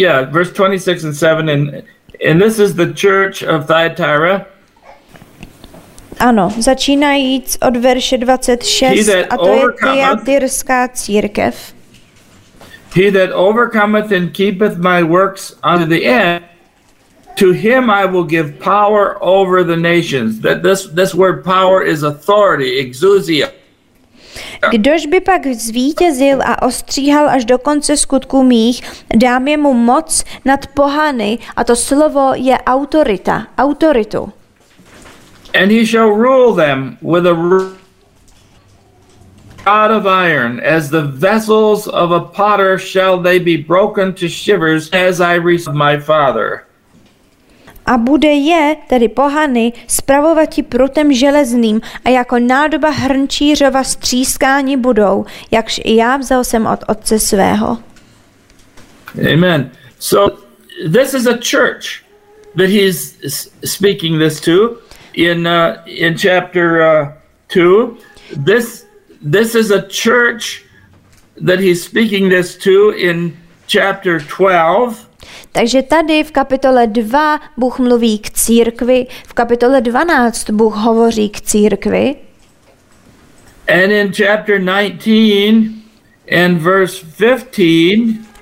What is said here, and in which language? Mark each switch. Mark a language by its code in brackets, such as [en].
[en] Verse 26 and 7, and this is the church of Thyatira. [cs] Ano, začínajíc od verše 26, a to je Thyatirská církev. [en] He that overcometh and keepeth my works unto the end, to him I will give power over the nations. That this word power is authority, exousia. [cs] Kdož by pak zvítězil a ostříhal až do konce skutků mých, dám jemu moc nad pohany, a to slovo je autorita, autoritu. [en] And he shall rule them with a rod of iron, as the vessels of a potter shall they be broken to shivers, as I received my father. [cs] A bude je, tedy pohany, spravovati prutem železným a jako nádoba hrnčířova střískání budou, jakž i já vzal jsem od otce svého. [en] Amen. So this is a church that he's speaking this to in chapter 2. This is a church that he's speaking this to in chapter 12. [cs] Takže tady v kapitole 2 Bůh mluví k církvi, v kapitole 12 Bůh hovoří k církvi. [en] And in chapter 19 and verse 15,